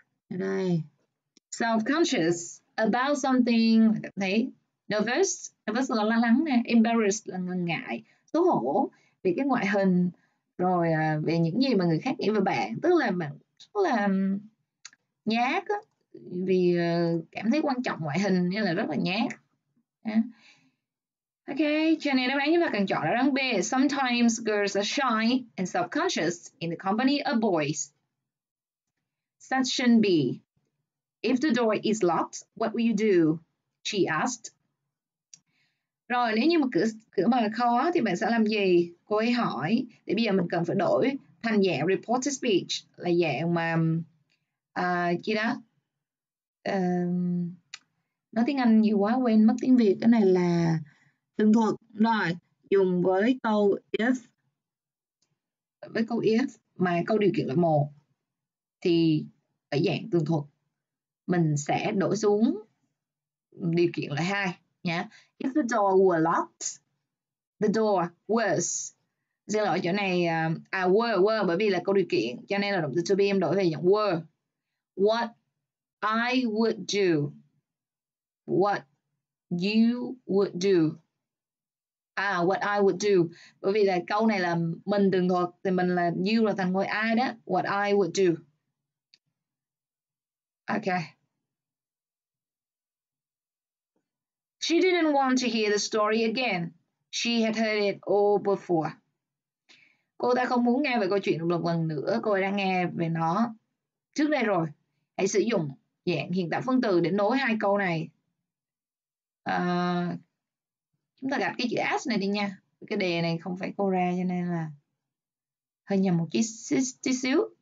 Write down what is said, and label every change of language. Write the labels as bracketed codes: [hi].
[vi] Đây, [en] self-conscious about something, [vi] cảm thấy nervous, nervous là lo lắng nè, embarrassed là ngần ngại, xấu hổ vì cái ngoại hình, rồi về những gì mà người khác nghĩ về bạn, tức là bạn rất là nhát á, vì cảm thấy quan trọng ngoại hình nên là rất là nhát. Ok, cho nên đáp án chúng ta cần chọn là đáp án B. [en] Sometimes girls are shy and self-conscious in the company of boys. Section B. If the door is locked, what will you do? She asked. [vi] Rồi, nếu như mà cửa mở khó thì bạn sẽ làm gì? Cô ấy hỏi. Thì bây giờ mình cần phải đổi thành dạng reported speech, là dạng mà chị đó. Nói tiếng Anh nhiều quá quên mất tiếng Việt. Cái này là tường thuật. Rồi, dùng với câu if. Với câu if mà câu điều kiện là một, thì ở dạng tường thuật mình sẽ đổi xuống điều kiện là hai nhá. [en] If the door were locked, the door was, [vi] xin lỗi chỗ này, were bởi vì là câu điều kiện, cho nên là động từ to be em đổi về dạng were. [en] What I would do, what you would do. What I would do, [vi] bởi vì là câu này là mình tường thuật thì mình là you là thành ngôi I đó. [en] What I would do. Okay. She didn't want to hear the story again. She had heard it all before. [vi] Cô ta không muốn nghe về câu chuyện một lần nữa. Cô ấy đã nghe về nó trước đây rồi. Hãy sử dụng dạng hiện tại phân từ để nối hai câu này. Chúng ta gạt cái chữ S này đi nha. Cái đề này không phải cô ra cho nên là hơi nhầm một tí xíu.